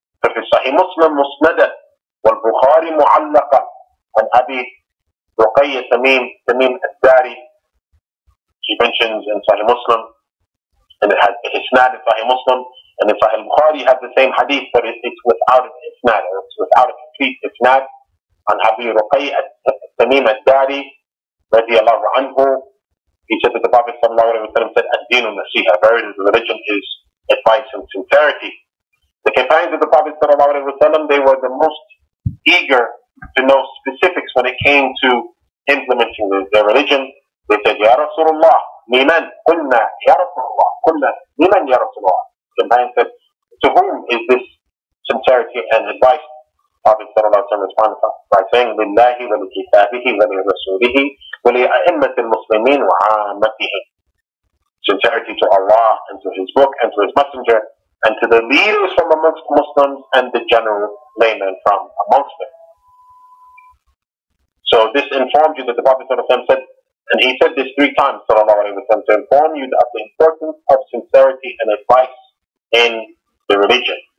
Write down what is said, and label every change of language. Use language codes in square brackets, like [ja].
[ar] Fi sahih Muslim musnada wal Bukhari mu'allaqa, [en] and Abi Ruqayya Tamim al-Dari, she mentions in Sahih Muslim, and it has isnad in Sahih Muslim, and in Sahih Bukhari has the same hadith, but it's without an isnad, or it's without a complete isnad, on Abi Ruqayya Tamim al-Dari, رضي الله عنه. He said that the Prophet صلى الله عليه وسلم said, [ar] الدين النصيحة, [en] verily the religion is advice and sincerity. The companions of the Prophet صلى الله عليه وسلم, they were the most eager to know specifics when it came to implementing their religion. They said, [ar] يا رسول الله ممن قلنا يا رسول الله قلنا ممن يا رسول الله. [en] The man said, to whom is this sincerity and advice? [ar] Prophet صلى الله عليه وسلم [en] responded by saying, [ar] لله ولكتابه ولرسوله ولأئمة المسلمين وعامته. [en] Sincerity to Allah and to His Book and to His Messenger and to the leaders from amongst Muslims and the general layman from amongst them. So this informs you that the Prophet صلى الله عليه وسلم said, and he said this three times, صلى الله عليه وسلم, to inform you of the importance of sincerity and advice in the religion.